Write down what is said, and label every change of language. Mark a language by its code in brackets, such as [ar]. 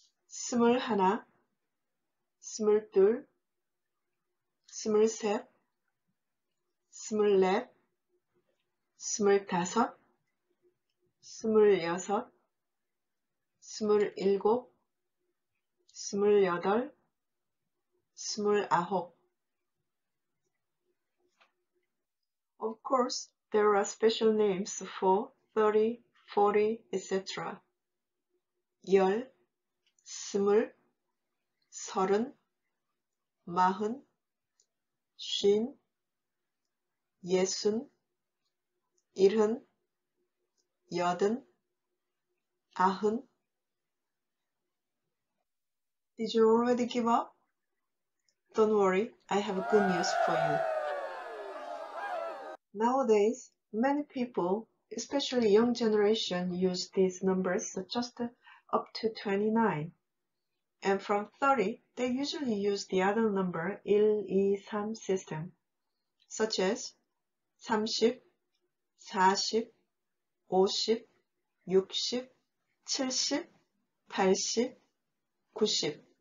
[ko] 스물하나, 스물둘, 스물셋, 스물넷, 스물다섯, 스물여섯, 스물일곱, 스물여덟, 스물아홉. [en] Of course, there are special names for 30, 40, etc. [ko] 열, 스물, 서른, 마흔, 쉰, 예순, 일흔, 여든, 아흔. [en] Did you already give up? Don't worry, I have good news for you. Nowadays, many people, especially young generation, use these numbers just up to 29. And from 30, they usually use the other number, 1-2-3 system, such as 30, 40, 50, 60, 70, 80, 90.